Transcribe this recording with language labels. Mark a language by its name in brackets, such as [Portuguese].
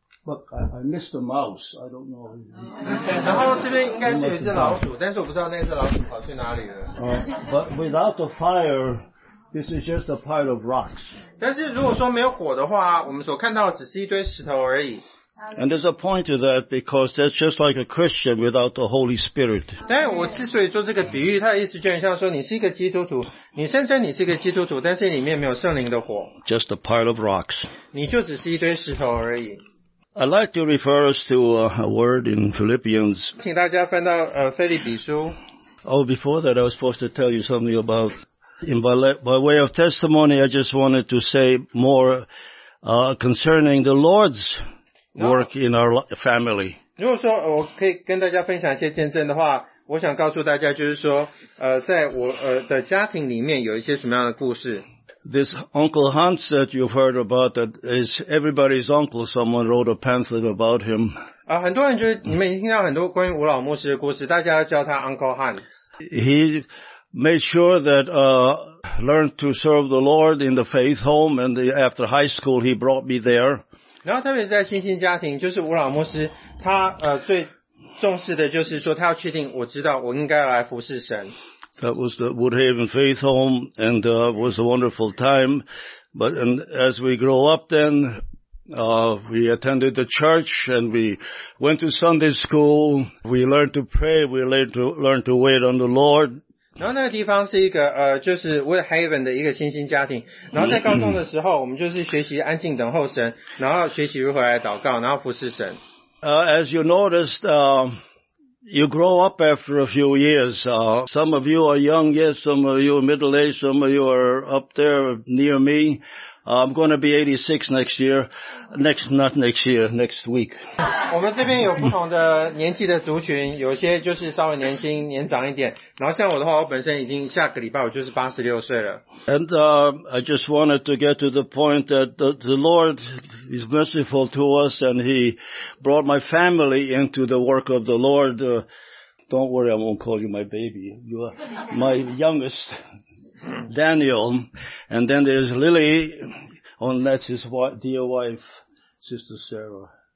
[English] Look, I missed a mouse. I don't know. [Chinese] 然后这边应该是有一只老鼠，但是我不知道那只老鼠跑去哪里了。 [English] But without the fire. This is just a pile of rocks. [Chinese] 但是如果说没有火的话，我们所看到的只是一堆石头而已。 [English] And there's a point to that because that's just like a Christian without the Holy Spirit. [Chinese] 但我之所以做这个比喻，它的意思就很像说，你是一个基督徒，你声称你是一个基督徒，但是里面没有圣灵的火。 [English] Just a pile of rocks. [Chinese] 你就只是一堆石头而已。 [English] I'd like to refer us to a word in Philippians. [Chinese] 请大家翻到腓立比书。 [English] Oh, before that, I was supposed to tell you something about. By way of testimony, I just wanted to say more concerning the Lord's work in our family. [Chinese] 如果说我可以跟大家分享一些见证的话，我想告诉大家就是说，在我的家庭里面有一些什么样的故事。 [English] This Uncle Hans that you've heard about, that is everybody's uncle. Someone wrote a pamphlet about him. [Chinese] 很多人就是你们已经听到很多关于吴老牧师的故事，大家叫他 Uncle Hans. [English] He made sure that learned to serve the Lord in the faith home, and after high school he brought me there. [Chinese] 然后特别是在新兴家庭，就是吴老牧师，他最重视的就是说，他要确定我知道我应该来服侍神。 [English] That was the Woodhaven Faith Home, and was a wonderful time. But and as we grow up, then we attended the church and we went to Sunday school. We learned to pray. We learned to wait on the Lord. [Chinese] 然后那个地方是一个就是 Woodhaven 的一个新兴家庭。然后在高中的时候，我们就是学习安静等候神，然后学习如何来祷告，然后服侍神。 [English] As you noticed, you grow up after a few years. Some of you are young, yes. Some of you are middle aged. Some of you are up there near me. I'm going to be 86 next year. Next week. [Chinese] 我们这边有不同的年纪的族群，有些就是稍微年轻年长一点。然后像我的话，我本身已经下个礼拜我就是86岁了。 [English] And I just wanted to get to the point that the Lord is merciful to us, and He brought my family into the work of the Lord. Don't worry, I won't call you my baby. You are my youngest, Daniel. And then there's Lily, and that's his dear wife, Sister Sarah.